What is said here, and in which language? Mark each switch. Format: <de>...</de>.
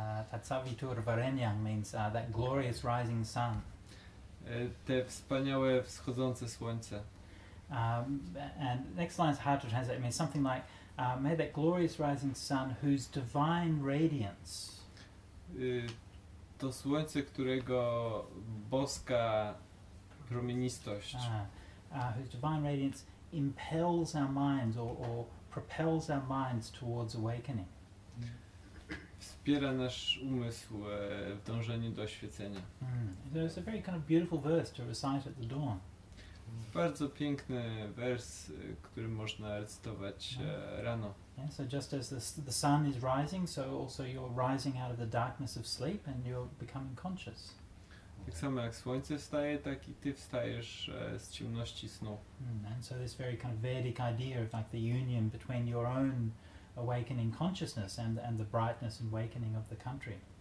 <sa>Tatsavitur Varenyang</sa> <en>means that glorious rising sun.</en> <pl>Te wspaniałe wschodzące słońce.</pl> <en>And next line is hard to translate. It means something like may that glorious rising sun whose divine radiance.</en> <pl>To słońce, którego boska promienistość.</pl> <en>Whose divine radiance impels our minds or propels our minds towards awakening.</en> <pl>Wspiera nasz umysł w dążeniu do oświecenia.</pl> <en>So it's a very kind of beautiful verse to recite at the dawn.</en> <pl>Bardzo piękny wers, który można recytować rano.</pl> <en>Yeah, so just as the sun is rising, so also you're rising out of the darkness of sleep and you're becoming conscious.</en> <pl>Tak samo jak słońce wstaje, tak i ty wstajesz z ciemności snu.</pl> <en>And so this very kind of Vedic idea of like the union between your own awakening consciousness and the brightness and awakening of the country.</en>